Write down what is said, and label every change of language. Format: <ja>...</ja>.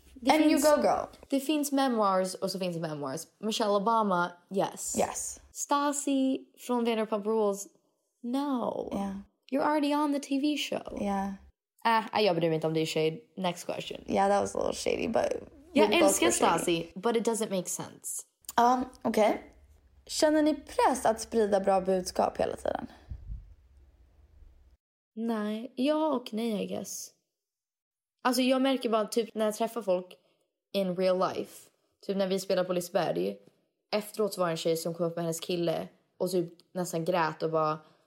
<en>And finns, you go girl.</en> <sv>Det finns memoirs och så finns det memoirs.</sv> <en>Michelle Obama, yes. Yes.</en> <sv>Stassi från Vanderpump Rules, no.</sv> <en>Yeah. You're already on the TV show. Yeah.</en> <sv>Jag bryr mig inte om det är shade.</sv> <en>Next question. Yeah, that was a little shady, but</en> <sv>Jag älskar</sv> <en>Stasi, but it doesn't make sense.</en> <sv>Ja, okej. Känner ni press att sprida bra budskap hela tiden? Nej, ja och nej,</sv> <en>I guess.</en> <sv>Alltså jag märker bara typ när jag träffar folk</sv> <en>in real life.</en> <sv>Typ när vi spelar på Liseberg. Efteråt var en tjej som kom upp med hennes kille och typ nästan grät och bara...</sv>